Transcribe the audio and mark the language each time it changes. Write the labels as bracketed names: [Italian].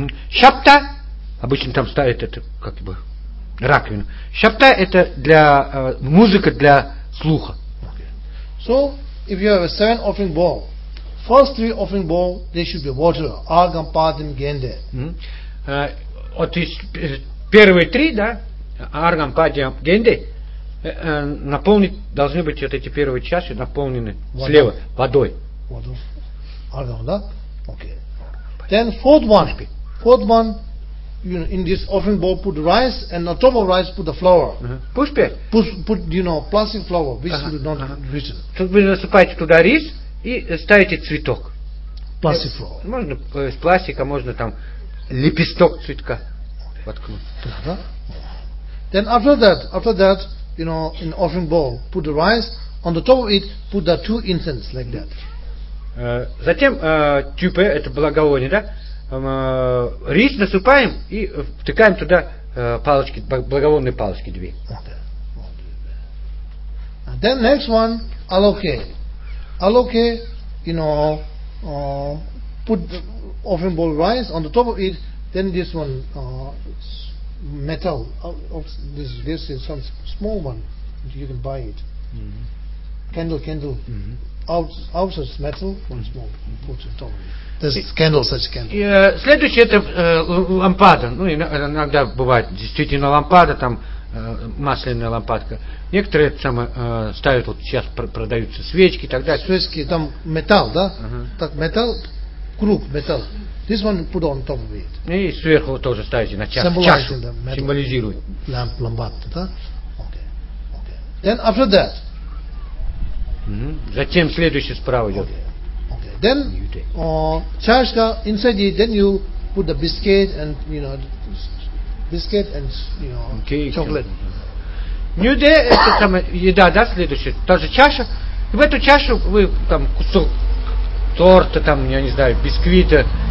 [Russian] Шапта, обычно там ставят это как бы раковину. Шапта это для музыка для слуха. [English] So, if you have a seven offering bowl, first three offering bowl they should be water, argam, padyam, gende. [Russian] Вот из первые три, да? Аргам, падьям, генде. Наполнить должны быть вот эти первые чаши наполнены водой. Слева водой. Аргам, да? Okay. [English] Then fourth one, you know, in this offering bowl put rice and on top of rice put the flour. [Russian] Пушпе. [English] Put you know plastic flour which would not reach. [Russian] Тут вы насыпаете туда рис и ставите цветок. [English] Plastic flour. [Russian] Можно из пластика, можно там лепесток цветка воткнуть. [English] Да. Then after that. You know, in offering bowl, put the rice on the top of it. Put the two incense like that. [Russian] Затем тюпе это благовоние, да? Рис насыпаем и втыкаем туда палочки благовонные палочки две. [English] Okay. Then next one, aloke. Aloke, you know, put the offering bowl rice on the top of it. Then this one. Metal. This is some small one. You can buy it. Candle. Outside metal, one small. Put it on. There's candle, such candle. [Russian] Следующее это лампада. Ну иногда бывает действительно лампада, там масляная лампадка. Некоторые это самое ставят вот сейчас продаются свечки и так далее. Свечки там металл, да? Так металл, круг металл. [English] This one put on top of it. [Russian] И сверху тоже ставите на чашу. [English] Symbolizing the metal. Символизирует. Lampada, да? Okay. Then after that. [Russian] Затем следующий справа идет. [English] Okay. Then чашка inside it. Then you put the biscuit and you know biscuit and you know okay, chocolate. [Russian] Нюде это там еда, да? Следующая. Та же чаша. И в эту чашу вы там кусок торта, там я не знаю бисквита.